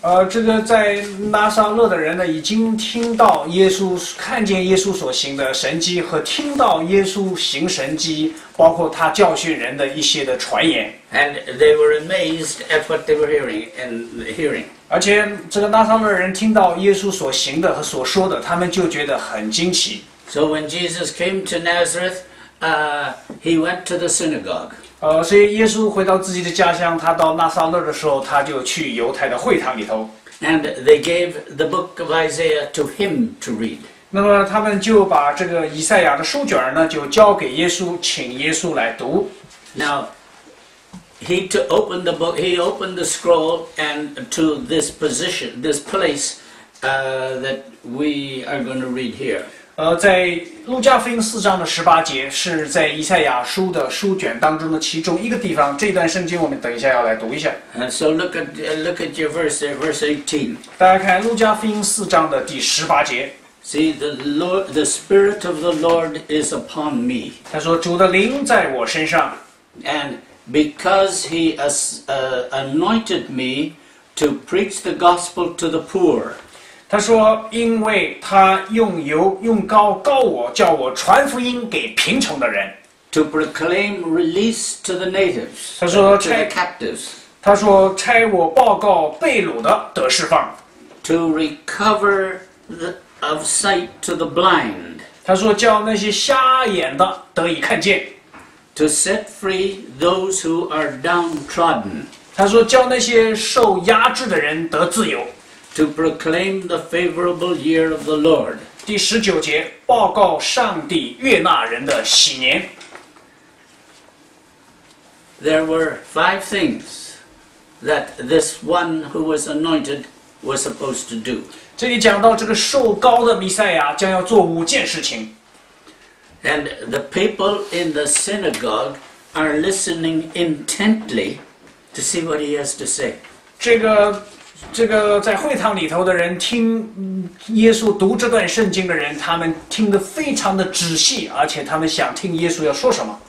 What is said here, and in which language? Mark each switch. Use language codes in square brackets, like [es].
[zh] 这个在拉撒勒的人呢，已经听到耶稣，看见耶稣所行的神迹和听到耶稣行神迹，包括他教训人的一些的传言。 [en] And they were amazed at what they were hearing. [zh] 而且这个拉撒勒人听到耶稣所行的和所说的，他们就觉得很惊奇。 [en] So when Jesus came to Nazareth, he went to the synagogue. [zh] 所以耶稣回到自己的家乡，他到拉撒勒的时候，他就去犹太的会堂里头。 [en] And they gave the book of Isaiah to him to read. [zh] 那么他们就把这个以赛亚的书卷呢，就交给耶稣，请耶稣来读。 [en] Now,He to open the book, he opened the scroll and to this position, this place, that we are going to read here. [zh] 在路加福音四章的十八节是在以赛亚书的书卷当中的其中一个地方。这段圣经我们等一下要来读一下。 [en] So look at your verse there, verse 18. [zh] 大家看路加福音四章的第十八节。 [en] See, the Spirit of the Lord is upon me. [zh] 他说主的灵在我身上。 [en] And... Because he has anointed me to preach the gospel to the poor. [zh] 他说因为他用油用膏膏我叫我传福音给贫穷的人。 [en] To proclaim release to the natives, [zh] 他说 [en] to the captives. [zh] 他说差我报告被掳的得释放。 [en] To recover of sight to the blind. [zh] 他说叫那些瞎眼的得以看见。 [en] To set free those who are downtrodden. [zh] 他说叫那些受压制的人得自由。 [en] To proclaim the favorable year of the Lord. [zh] 第十九节，报告上帝悦纳人的喜年。 [en] There were five things that this one who was anointed was supposed to do. [zh] 这里讲到这个受膏的弥赛亚将要做五件事情。 [en] And the people in the synagogue are listening intently to see what he has to say. [zh] 这个这个在会堂里头的人听耶稣读这段圣经的人，他们听得非常的仔细，而且他们想听耶稣要说什么。